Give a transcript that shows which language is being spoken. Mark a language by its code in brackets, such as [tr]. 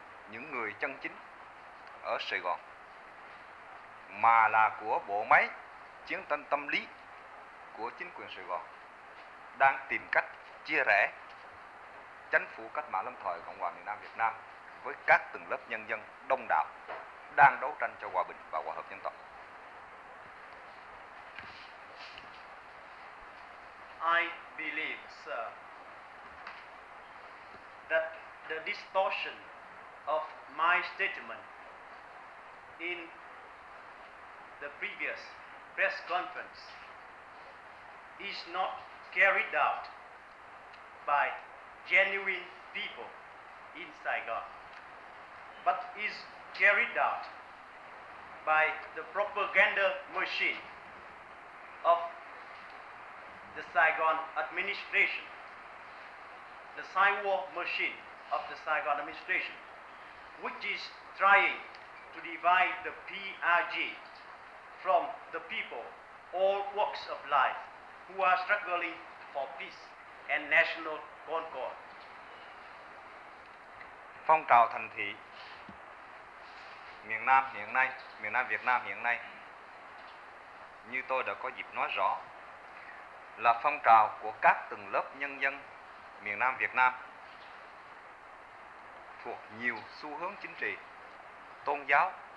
[vi] những người chân chính ở Sài Gòn, mà là của bộ máy chiến tranh tâm lý của chính quyền Sài Gòn đang tìm cách chia rẽ chính phủ cách mạng lâm thời Cộng hòa miền Nam Việt Nam với các tầng lớp nhân dân đông đảo đang đấu tranh cho hòa bình và hòa hợp dân tộc. [en] I believe, sir, that the distortion of my statement in the previous press conference is not carried out by genuine people in Saigon, but is carried out by the propaganda machine of the Saigon administration, the Saiwo machine of the Saigon administration, which is trying to divide the PRG from the people, all walks of life, who are struggling for peace and national concord. [vi] Phong trào thành thị miền Nam hiện nay, miền Nam Việt Nam hiện nay, như tôi đã có dịp nói rõ, là phong trào của các tầng lớp nhân dân miền Nam Việt Nam thuộc nhiều xu hướng chính trị, tôn giáo,